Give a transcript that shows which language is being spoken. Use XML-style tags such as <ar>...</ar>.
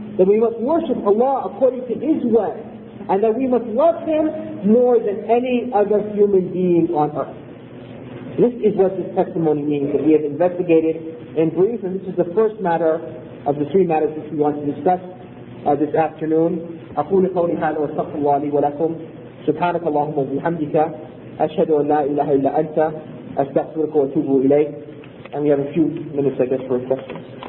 <en>That we must worship Allah according to his way. And that we must love him more than any other human being on earth. This is what this testimony means that we have investigated in brief, and this is the first matter of the three matters which we want to discuss this afternoon.</en> <ar>أقول قولي هذا واستغفر الله لي ولكم. سبحانك اللهم وبحمدك أشهد أن لا إله إلا أنت أستغفرك وأتوب إليك.</ar> <en>And we have a few minutes, I guess, for questions.</en>